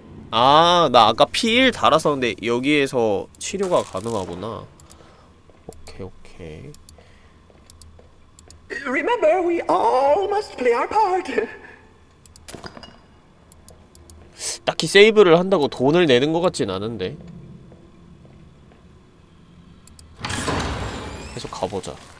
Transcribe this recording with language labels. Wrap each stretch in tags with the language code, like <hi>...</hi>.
<ko>아, 나 아까 피일 달았었는데 여기에서 치료가 가능하구나. 오케이, 오케이.</ko> <en>Remember, we all must play our part.</en> <ko>딱히 세이브를 한다고 돈을 내는 것 같진 않은데. 계속 가보자.</ko>